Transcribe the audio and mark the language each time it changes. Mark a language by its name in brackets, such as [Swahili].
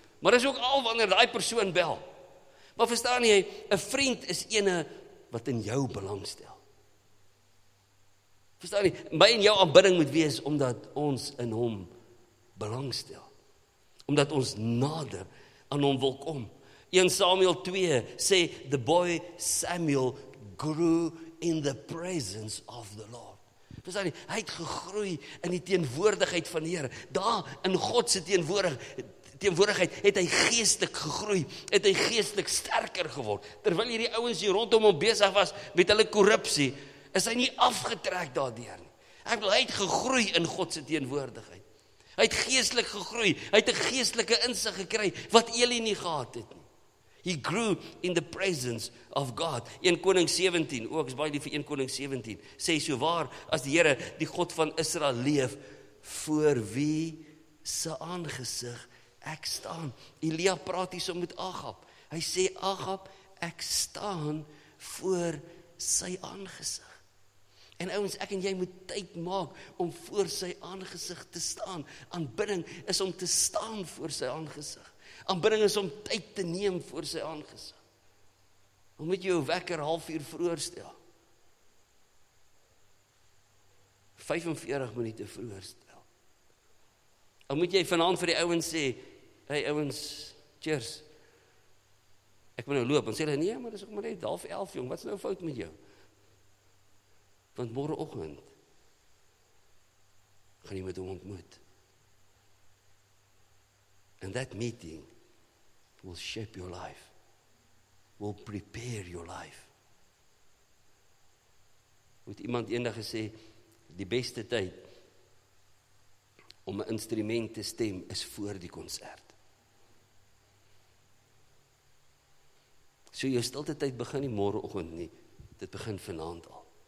[Afrikaans] Maar is ook al wanneer daai persoon bel. Maar verstaan jy, 'n vriend is ene wat in jou belang stel. Verstaan jy, my en jou aanbidding moet wees, omdat ons in hom belang stel. Omdat ons nader aan hom wil kom. [English] 1 Samuel 2 sê, the boy Samuel grew in the presence of the Lord. [Afrikaans] Dis hy het gegroei in die teenwoordigheid van die Here. Daar in God se teenwoordigheid teenwoordigheid het hy geestelik gegroei, het hy geestelik sterker geword. Terwyl hierdie ouens hier rondom hom besig was met hulle korrupsie, is hy nie afgetrek daardeur nie. Ek wil hy het gegroei in God se teenwoordigheid. Hy het geestelik gegroei, hy het 'n geestelike insig gekry wat Eli nie gehad het nie. He grew in the presence of God. 1 Koning 17, ook is baie lief vir 1 Koning 17, sê so waar as die Here, die God van Israel leef, voor wie se aangesig ek staan. Elia praat hier so met Agab. Hy sê, Agab, ek staan voor sy aangesig. En ouens, ek en jy moet tyd maak om voor sy aangesig te staan. Aanbidding is om te staan voor sy aangesig. Aanbidding is om tyd te neem voor sy aangesig. Hoe moet jy jou wekker 30 minute vroeër stel? 45 minute vroeër stel. Hoe moet jy vanaand vir die ouens sê, hey ouens, cheers, ek moet nou loop, en sê hulle, nee, maar dis ook maar net 10:30, jong, wat is nou fout met jou? Want morgenoggend gaan jy met hom ontmoet. [English] And that meeting will shape your life, will prepare your life. [Afrikaans] Moet iemand eendag gesê, die beste tyd om 'n instrument te stem is voor die konsert. So jou stilte tyd begin nie môreoggend nie, dit begin vanaand al.